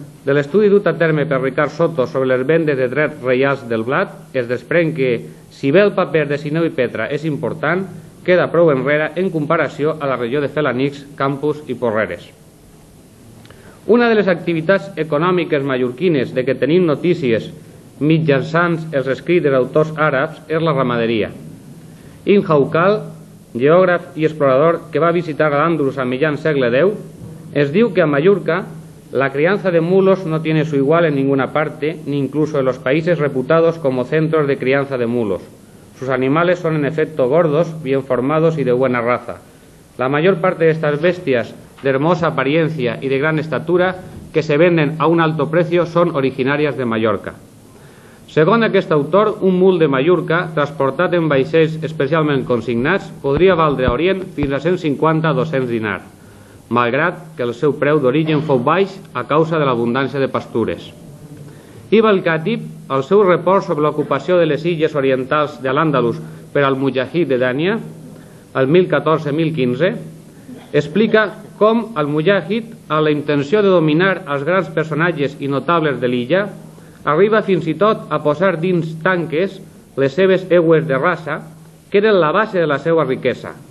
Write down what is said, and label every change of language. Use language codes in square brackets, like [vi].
[ca] De l'estudi dut a terme per Ricard Soto sobre les vendes de drets reials del blat, es desprèn que, si bé el paper de Sineu i Petra és important, queda prou enrere en comparació a la regió de Felanix, Campos i Porreres. Una de les activitats econòmiques mallorquines de què tenim notícies mitjançant els escrits d'autors àrabs és la ramaderia. [es] Ibn Haukal, [ca] geògraf i explorador que va visitar Al-Àndalus a mitjan segle X, es diu que a Mallorca [es] la crianza de mulos no tiene su igual en ninguna parte, ni incluso en los países reputados como centros de crianza de mulos. Sus animales son en efecto gordos, bien formados y de buena raza. La mayor parte de estas bestias, de hermosa apariencia y de gran estatura, que se venden a un alto precio, son originarias de Mallorca. [ca] Segons aquest autor, un mul de Mallorca, transportat en vaixells especialment consignats, podria valdre a Orient fins a 150 a 200 dinars, malgrat que el seu preu d'origen fou baix a causa de l'abundància de pastures. Ibn al-Khatib, al seu report sobre l'ocupació de les illes orientals de l'Àndalus per al Mujahid de Dània, el 1014-1015, explica com el Mujahid, amb la intenció de dominar els grans personatges i notables de l'illa, arriba fins i tot a posar dins tanques les seves egües de raça, que eren la base de la seva riquesa.